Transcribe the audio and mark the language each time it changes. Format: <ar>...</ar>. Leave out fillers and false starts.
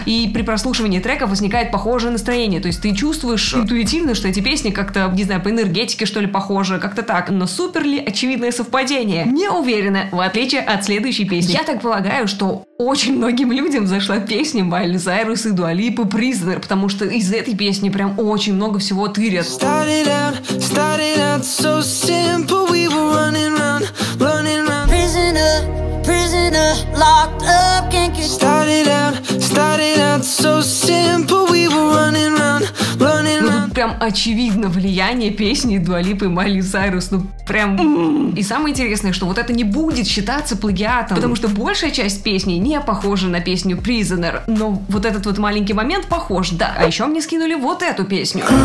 <ru>И при прослушивании трека возникает похожее настроение, то есть ты чувствуешь интуитивно, что эти песни как-то, не знаю, по энергетике что ли похожи, как-то так. Но супер ли очевидное совпадение? Не уверена, в отличие от следующей песни. Я так полагаю, что очень многим людям зашла песня Майли Сайрус и Дуа Липы «Prisoner», потому что из этой песни прям очень много всего тырят.</ru> <en>Started out so simple, we were running round, running round. Prisoner, prisoner. prisoner, locked up, can't get started out so simple, we were running round, running round.</en> <ru>Прям очевидно влияние песни Дуа Липы и Майли Сайрус. Ну, прям... И самое интересное, что вот это не будет считаться плагиатом, потому что большая часть песни не похожа на песню Prisoner. Но вот этот вот маленький момент похож, да. А еще мне скинули вот эту песню.</ru>